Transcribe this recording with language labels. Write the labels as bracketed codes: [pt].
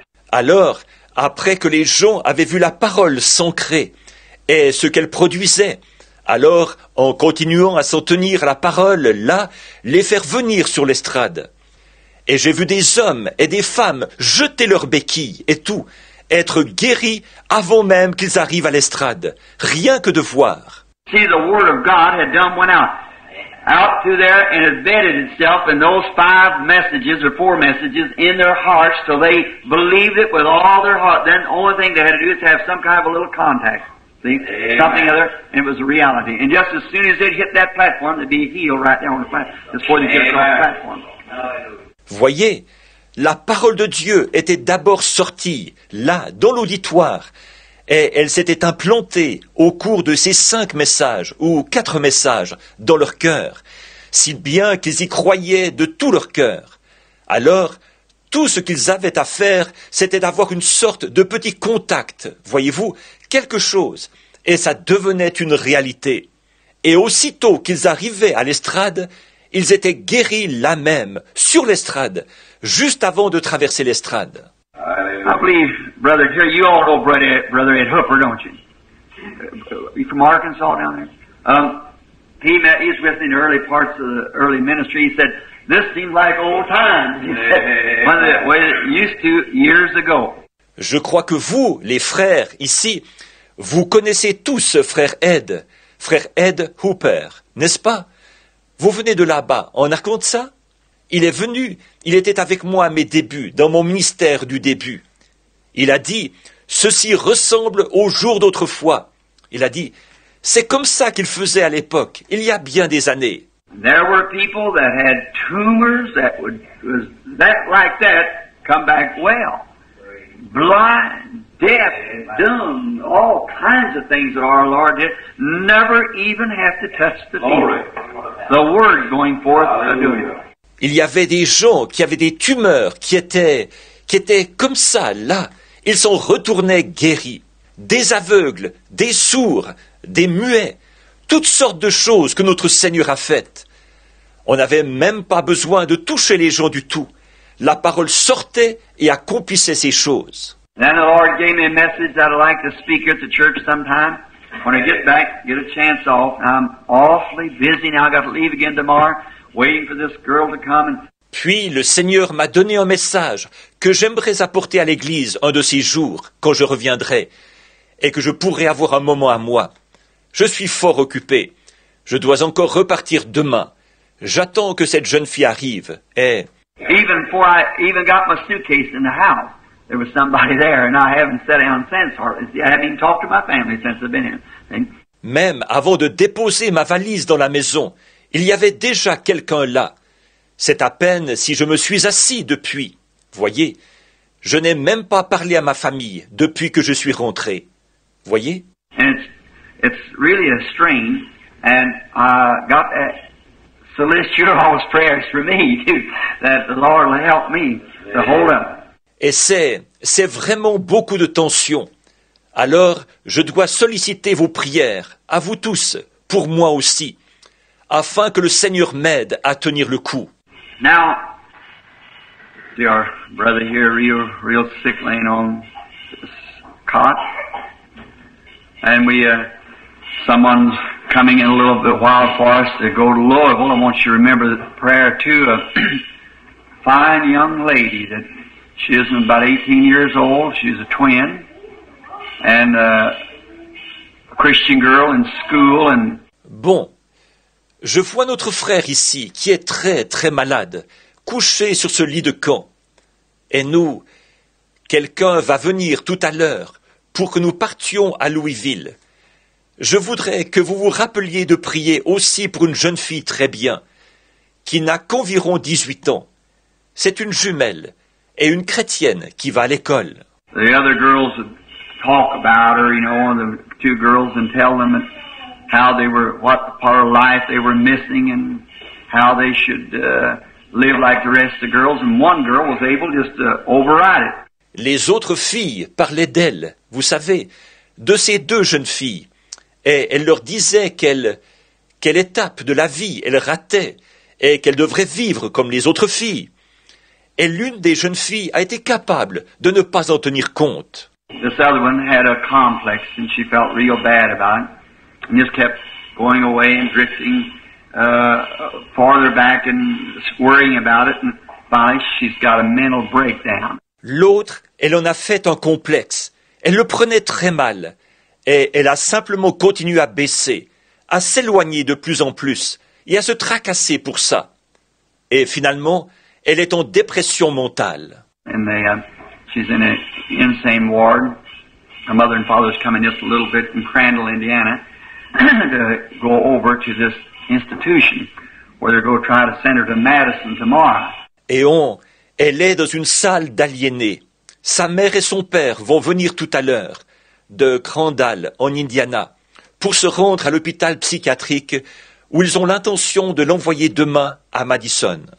[fr] Alors, après que les gens avaient vu la parole s'ancrer et ce qu'elle produisait, alors, en continuant à s'en tenir à la parole, là, les faire venir sur l'estrade. Et j'ai vu des hommes et des femmes jeter leurs béquilles et tout, être guéris avant même qu'ils arrivent à l'estrade, rien que de voir. [en] See, the word of God had done went out through there and embedded itself in those five messages or four messages in their hearts till they believed it with all their heart. Then the only thing they had to do is have some kind of a little contact. See? Something other, and it was a reality. And just as soon as they'd hit that platform, they'd be healed right there on the platform before they get across the platform. [fr] Voyez, la parole de Dieu était d'abord sortie, là, dans l'auditoire, et elle s'était implantée au cours de ces cinq messages, ou quatre messages, dans leur cœur, si bien qu'ils y croyaient de tout leur cœur. Alors, tout ce qu'ils avaient à faire, c'était d'avoir une sorte de petit contact, voyez-vous, quelque chose, et ça devenait une réalité. Et aussitôt qu'ils arrivaient à l'estrade, ils étaient guéris là même, sur l'estrade, juste avant de traverser l'estrade. [en] I believe, Brother Jerry, you all know Brother Ed Hooper, don't you? You from Arkansas down there? He's with me in the early parts of the early ministry. He said, this seems like old times. What it used to years ago. [fr] Je crois que vous, les frères ici, vous connaissez tous Frère Ed Hooper, n'est-ce pas? Vous venez de là-bas, en Arkansas? Il est venu, il était avec moi à mes débuts, dans mon ministère du début. Il a dit, ceci ressemble aux jours d'autrefois. Il a dit, c'est comme ça qu'il faisait à l'époque, il y a bien des années. [en] There were people that had tumors that would, was that like that, come back well. Blind, deaf, dumb, all kinds of things that our Lord did, never even have to touch the people. The word going forth, hallelujah. [fr] Il y avait des gens qui avaient des tumeurs qui étaient comme ça, là. Ils s'en retournaient guéris. Des aveugles, des sourds, des muets. Toutes sortes de choses que notre Seigneur a faites. On n'avait même pas besoin de toucher les gens du tout. La parole sortait et accomplissait ces choses. [en] Then the Lord gave me a message that I'd like to speak at the church sometime. When I get back, get a chance off. I'm awfully busy now. I've got to leave again tomorrow. Waiting for this girl to come. [fr] Puis le Seigneur m'a donné un message que j'aimerais apporter à l'église un de ces jours quand je reviendrai et que je pourrai avoir un moment à moi. Je suis fort occupé. Je dois encore repartir demain. J'attends que cette jeune fille arrive et... [en] Even before I even got my suitcase in the house, there was somebody there and I haven't sat down since. See, I haven't even talked to my family since I've been here. [fr] Même avant de déposer ma valise dans la maison, il y avait déjà quelqu'un là. C'est à peine si je me suis assis depuis. Voyez, je n'ai même pas parlé à ma famille depuis que je suis rentré. Voyez. [en] And it's really a strain, and I got that solicit your all's prayers for me too, that the Lord will help me to hold up. [fr] Et c'est vraiment beaucoup de tension. Alors je dois solliciter vos prières à vous tous, pour moi aussi, afin que le Seigneur m'aide à tenir le coup. [en] Now, see our brother here, real sick, laying on this cot. And someone's coming in a little bit wild for us to go to Louisville. I want you to remember the prayer too. A fine young lady that she isn't about 18 years old. She's a twin. And a Christian girl in school. And [fr] bon. Je vois notre frère ici, qui est très, très malade, couché sur ce lit de camp. Et nous, quelqu'un va venir tout à l'heure pour que nous partions à Louisville. Je voudrais que vous vous rappeliez de prier aussi pour une jeune fille très bien, qui n'a qu'environ 18 ans. C'est une jumelle et une chrétienne qui va à l'école. [en] the other girls would talk about her, you know, and the two girls, and tell them how they were, what part of life they were missing, and how they should live like the rest of the girls. And one girl was able just to override it. [fr] Les autres filles parlaient d'elle, vous savez, de ces deux jeunes filles. Et elle leur disait quelle étape de la vie elle ratait et qu'elle devrait vivre comme les autres filles. Et l'une des jeunes filles a été capable de ne pas en tenir compte. [en] This other one had a complex and she felt real bad about it. And just kept going away and drifting farther back and worrying about it. And finally she's got a mental breakdown. [fr] L'autre, elle en a fait un complexe. Elle le prenait très mal. Et elle a simplement continué à baisser, à s'éloigner de plus en plus et à se tracasser pour ça. Et finalement, elle est en dépression mentale. [en] And they, she's in an insane ward. Her mother and father's coming just a little bit from Crandall, Indiana, to go over to this institution where they're going to try to send her to Madison tomorrow. [fr] Et elle est dans une salle d'aliénés. Sa mère et son père vont venir tout à l'heure de Crandall, en Indiana, pour se rendre à l'hôpital psychiatrique où ils ont l'intention de l'envoyer demain à Madison.